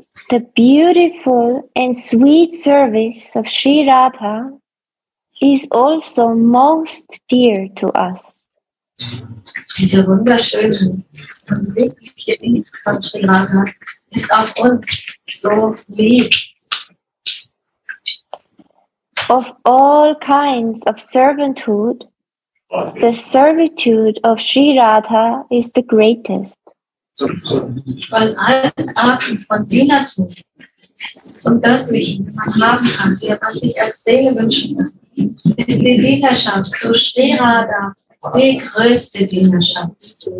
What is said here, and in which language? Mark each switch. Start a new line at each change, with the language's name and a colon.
English: The beautiful and sweet service of Sri Radha is also most dear to us.
German: Diese wunderschönen und wirkliche Dienst von Sri Radha ist auch uns so lieb.
English: Of all kinds of servanthood, the servitude of Sri Radha is the greatest.
German: Von allen Arten von Dienertum zum Göttlichen, das man haben kann, hier, was ich als Seele wünschen kann, ist die Dienerschaft zu Sri Radha, die größte Dienerschaft.